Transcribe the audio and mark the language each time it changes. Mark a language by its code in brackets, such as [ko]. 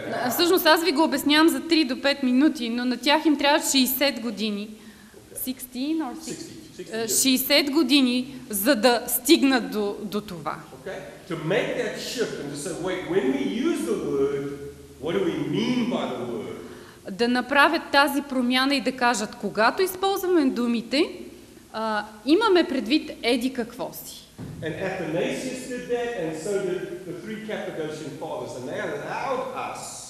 [bg] Всъщност аз ви го обяснявам за 3 до 5 минути, но на тях им трябва 60 години. 60 години, за да стигнат до това. [en] To make that shift and to say, wait, when we use the word, what do we mean by the word? [bg] Да направят тази промяна и да кажат, когато използваме думите, имаме предвид еди какво си. [en] And Athanasius did that, and so did the three Cappadocian fathers, and they allowed us.